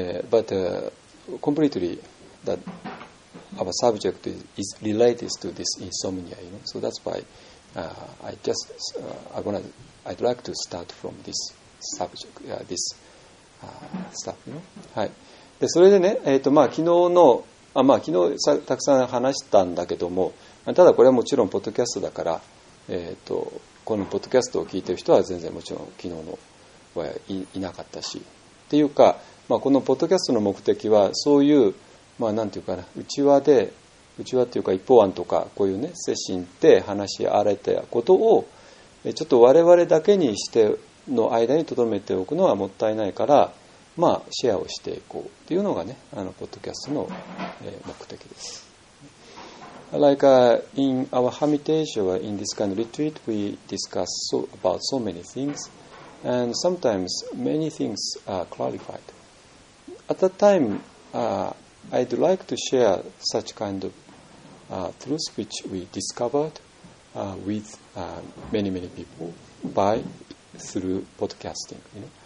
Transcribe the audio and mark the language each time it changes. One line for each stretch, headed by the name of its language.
English: but completely that our subject is related to this insomnia, you know? So that's why I'd like to start from this subject, this stuff, you know?
Japanese: はい。で、それでね、まあ、昨日の、あ、まあ、昨日たくさん話したんだけども、ただこれはもちろんポッドキャストだから、このポッドキャストを聞いている人は全然もちろん昨日のは いなかったし、っていうか、まあ、このポッドキャストの目的はそういう、まあ、なんていうかな、内輪で、内輪っていうか一方案とかこういうね精神って話し合われたことをちょっと我々だけにしての間に留めておくのはもったいないから、まあシェアをしていこうっていうのがね、あのポッドキャストの目的です。
English: Like、in our hermitage or in this kind of retreat we discuss so, about so many things and sometimes many things are clarified. At that time、I'd like to share such kind of、truths which we discovered、with、many many people by through podcasting, you know?